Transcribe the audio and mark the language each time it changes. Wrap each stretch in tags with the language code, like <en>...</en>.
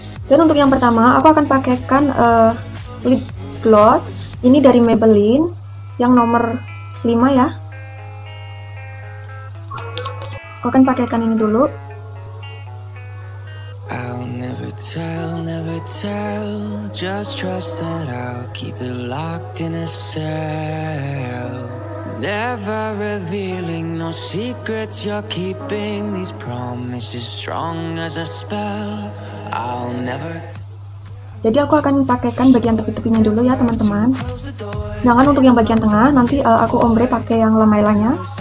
<id>Dan untuk yang pertama aku akan pakaikan lip gloss ini dari Maybelline yang nomor 5 ya. Aku akan pakaikan ini dulu.</id> <en>I'll never tell, just trust that I'll keep it locked in a cell. Never revealing no secrets, you're keeping these promises strong as a spell. I'll never.</en> <id>Jadi aku akan pakaikan bagian tepi-tepinya dulu ya teman-teman. Sedangkan untuk yang bagian tengah nanti aku ombre pakai yang La Mela-nya.</id>